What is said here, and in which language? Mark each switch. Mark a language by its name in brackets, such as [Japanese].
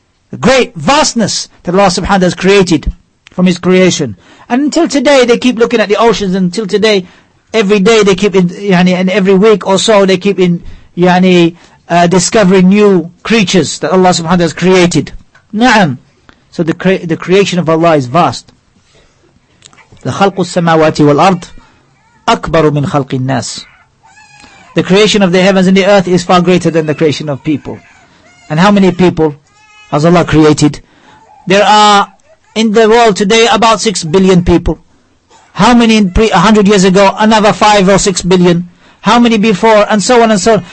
[English] The great vastness that Allah subhanahu wa ta'ala has created from His creation. And until today, they keep looking at the oceans. And until today, every day they keep in, yani, and every week or so, they keep in, yani, discovering new creatures that Allah subhanahu wa ta'ala has created. Na'am. So the creation of Allah is vast. [Arabic] The خلق السماوات والأرض أكبر من خلق الناس. [English] The creation of the heavens and the earth is far greater than the creation of people. And how many people has Allah created? There are in the world today about 6 billion people. How many 100 years ago? Another 5 or 6 billion. How many before? And so on and so on.